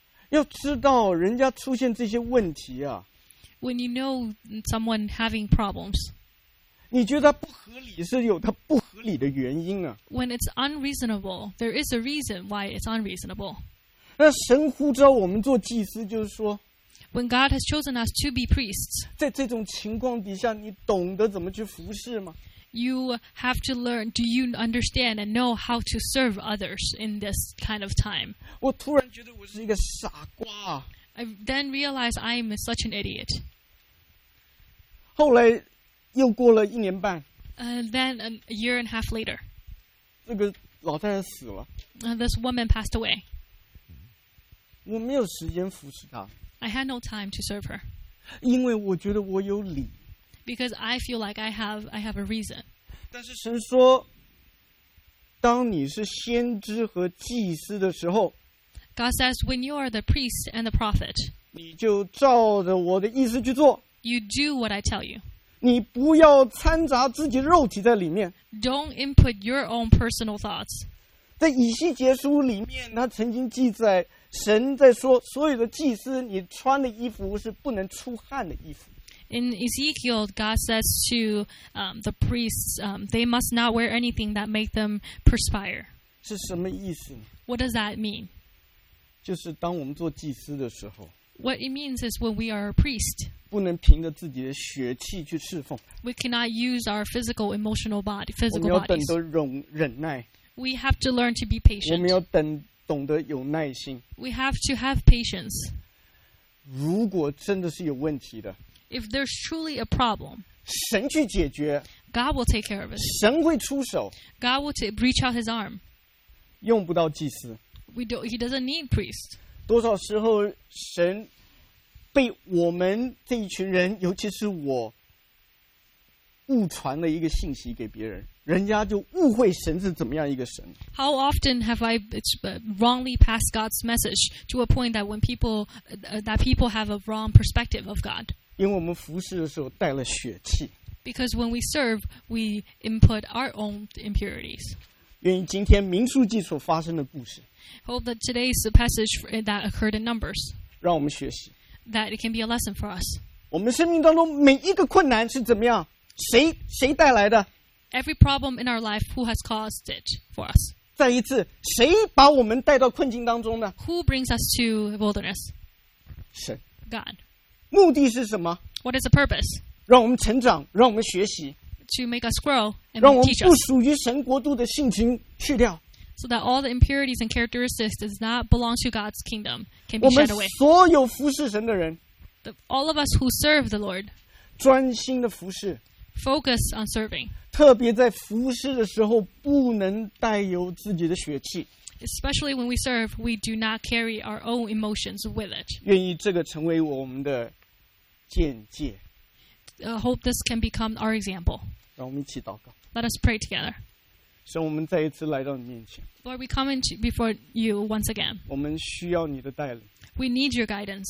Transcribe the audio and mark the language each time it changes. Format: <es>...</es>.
<zh>要知道人家出现这些问题啊。</zh> <en>When you know someone having problems,</en> <zh>你觉得不合理是有它不合理的原因啊。</zh> <en>When it's unreasonable, there is a reason why it's unreasonable.</en> <zh>那神呼召我们做祭司就是说</zh> <en>When God has chosen us to be priests,</en> <zh>在这种情况底下你懂得怎么去服侍吗？</zh> <en>You have to learn, do you understand and know how to serve others in this kind of time?</en> <zh>我突然觉得我是一个傻瓜。</zh> <en>I then realized I'm such an idiot.</en> <zh>后来又过了一年半。</zh> <en>Then a year and a half later.</en> <zh>这个老太太死了。</zh> <en>This woman passed away.</en> <zh>我没有时间服侍她。</zh> <en>I had no time to serve her.</en> <zh>因为我觉得我有理。</zh> <en>Because I feel like I have a reason.</en> <zh>但是神说当你是先知和祭司的时候</zh> <en>，God says, when you are the priest and the prophet,</en> <zh>你就照着我的意思去做。</zh> <en>You do what I tell you.</en> <zh>你不要掺杂自己的肉体在里面。</zh> <en>Don't input your own personal thoughts.</en> <zh>在以西结书里面，他曾经记载神在说，所有的祭司，你穿的衣服是不能出汗的衣服。</zh> <en>In Ezekiel, God says to the priests, they must not wear anything that makes them perspire.</en> <zh>是什么意思呢?</zh> <en>What does that mean?</en> <zh>就是当我们做祭司的时候,</zh> <en>What it means is when we are a priest,</en> <zh>不能凭着自己的血气去侍奉。</zh> <en>We cannot use our physical, emotional body, physical bodies.</en> <zh>我们要懂得忍耐。</zh> <en>We have to learn to be patient.</en> <zh>我们要懂得有耐心。</zh> <en>We have to have patience.</en> <zh>如果真的是有问题的,</zh> <en>If there's truly a problem,</en> <zh>神去解决,</zh> <en>God will take care of it.</en> <zh>神会出手,</zh> <en>God will reach out his arm.</en> <zh>用不到祭司,</zh> <en>He doesn't need priests.</en> <zh>多少时候神被我们这一群人, 尤其是我, 误传了一个信息给别人, 人家就误会神是怎么样一个神。</zh> <en>How often have I wrongly passed God's message to a point that when people have a wrong perspective of God?</en> <zh>因为我们服侍的时候带了血气。</zh> <en>Because when we serve, we input our own impurities.</en> <zh>愿意今天民数记所发生的故事。</zh> <en>Hope that today's passage that occurred in Numbers.</en> <zh>让我们学习。</zh> <en>That it can be a lesson for us.</en> <zh>我们生命当中每一个困难是怎么样？谁带来的</zh> <en>？Every problem in our life, who has caused it for us?</en> <zh>再一次，谁把我们带到困境当中呢</zh> <en>？Who brings us to wilderness?</en> <zh>神。</zh> <en>God.</en> <zh>目的是什么</zh> <en>？What is the purpose？</en> <zh>让我们成长，让我们学习。</zh> <en>To make us grow and teach us.</en> <zh>让我们不属于神国度的性情去掉。</zh> <en>So that all the impurities and characteristics does not belong to God's kingdom can be shed away.</en> <zh>我们所有服侍神的人</zh> <en>，All of us who serve the Lord，</en> <zh>专心的服侍</zh> <en>，Focus on serving。</en> <zh>特别在服侍的时候，不能带有自己的血气。</zh> <en>Especially when we serve, we do not carry our own emotions with it.</en> <zh>愿意这个成为我们的见解。</zh> <en>I hope this can become our example.</en> <zh>让我们一起祷告。</zh> <en>Let us pray together.</en> <zh>神，我们再一次来到你面前。</zh> <en>Lord, we come before you once again.</en> <zh>我们需要你的带领。</zh> <en>We need your guidance.</en>